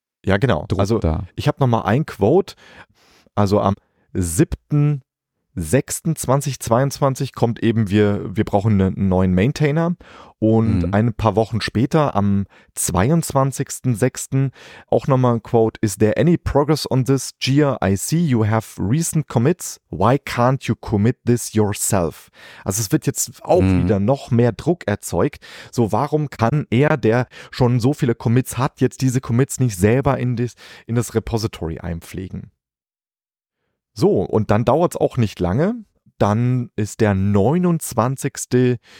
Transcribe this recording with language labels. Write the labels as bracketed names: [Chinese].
[German] Ja, genau. Druck also da. Ich habe nochmal ein Quote. Also am 7.6.2022 kommt eben, wir brauchen einen neuen Maintainer. Und ein paar Wochen später, am 22.6. auch nochmal ein Quote. [English] Is there any progress on this? Gia, I see you have recent commits. Why can't you commit this yourself? [German] Also es wird jetzt auch wieder noch mehr Druck erzeugt. So, warum kann er, der schon so viele Commits hat, jetzt diese Commits nicht selber in das Repository einpflegen? So, und dann dauert es auch nicht lange. Dann ist der 29.